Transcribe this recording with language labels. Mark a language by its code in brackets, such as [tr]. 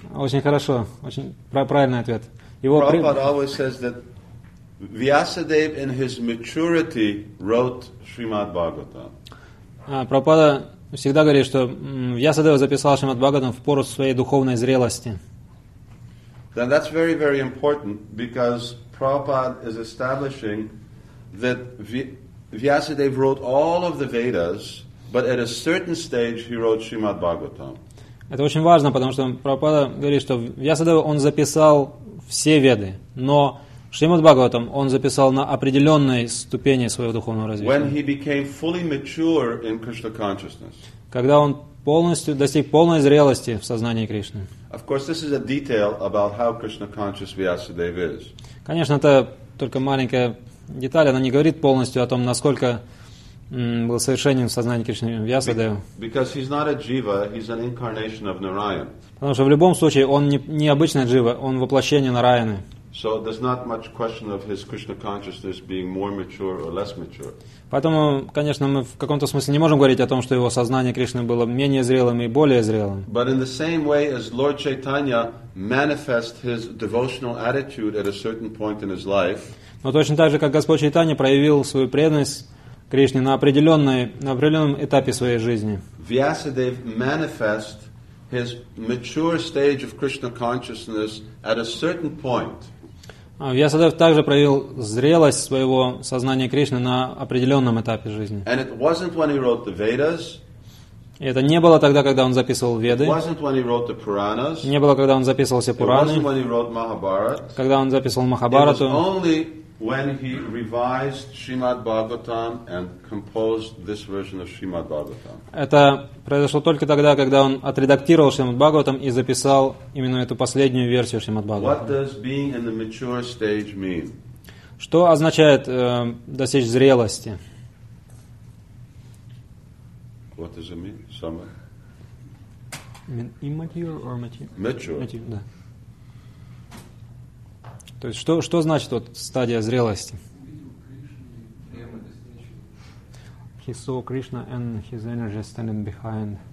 [ru] Очень хорошо, очень правильный ответ. [en] Prabhupada always says that Vyasadeva in his maturity wrote Srimad Bhagavatam. [ru] Prabhupada всегда говорит, что Вьясадева записал Шримад Бхагаватам в пору своей духовной зрелости. [en] Then that's very, very important because Prabhupada is establishing that Vyasadeva wrote all of the Vedas, but at a certain stage he wrote Srimad Bhagavatam. [ru] Это очень важно, потому что Прабхупада говорит, что Вьясадева он записал все веды, но Шримад Бхагаватам он записал на определенной ступени своего духовного развития. [en] When he became fully mature in Krishna consciousness. [ru] Когда он полностью достиг полной зрелости в сознании Кришны. [en] Of course, this is a detail about how Krishna conscious Vyasadeva is. [ru] Конечно, это только маленькая деталь, она не говорит полностью о том, насколько был совершенен в сознании Кришны Вьясадева. [en] Because he's not a jiva, he's an incarnation of Narayana. [ru] Потому что в любом случае он не обычная джива, он воплощение Нараяны. [en] So there's not much question of his Krishna consciousness being more mature or less mature. [ru] Поэтому, конечно, мы в каком-то смысле не можем говорить о том, что его сознание Кришны было менее зрелым и более зрелым. [en] But in the same way as Lord Chaitanya manifests his devotional attitude at a certain point in his life. [ru] Но точно так же, как Господь Чайтанья проявил свою преданность Кришне на определенном этапе своей жизни. [en] Vyasadev manifests his mature stage of Krishna consciousness at a certain point. [ru] Vyasadev также проявил зрелость своего сознания Кришны на определенном этапе жизни. [en] And it wasn't when he wrote the Vedas. [ru] И это не было тогда, когда он записывал Веды. [en] It wasn't when he wrote the Puranas. [ru] Не было, когда он записывал все Пураны. [en] It wasn't when he wrote Mahabharat. [ru] Когда он записывал Махабхарату. [en] It was only when he revised Srimad Bhagavatam and composed this version of Srimad Bhagavatam. [ru] Это произошло только тогда, когда он отредактировал Шримад Бхагаватам и записал именно эту последнюю версию Шримад Бхагаватам. [en] What does being in the mature stage mean? [ru] Что означает достичь зрелости? [en] What does it mean? Some immature or mature? Mature. Mature, да. [ru] То есть, что значит вот стадия зрелости? [en] He saw Krishna and his energy standing behind.